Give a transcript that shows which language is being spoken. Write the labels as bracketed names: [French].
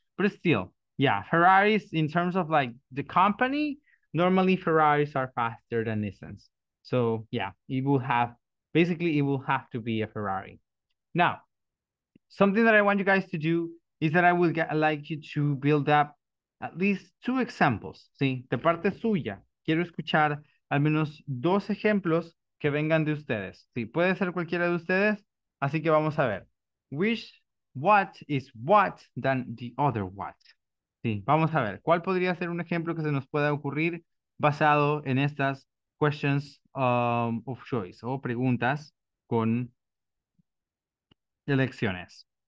[English] But still, yeah, Ferraris, in terms of like the company, normally Ferraris are faster than Nissans. So yeah, it will have, basically it will have to be a Ferrari. Now, something that I want you guys to do is that I would like you to build up at least two examples. [Spanish] ¿Sí? De parte suya, quiero escuchar al menos dos ejemplos que vengan de ustedes. Sí, puede ser cualquiera de ustedes. Así que vamos a ver. [English] Which, what is what than the other what? [Spanish] Sí, vamos a ver. ¿Cuál podría ser un ejemplo que se nos pueda ocurrir basado en estas questions of choice o preguntas con elecciones?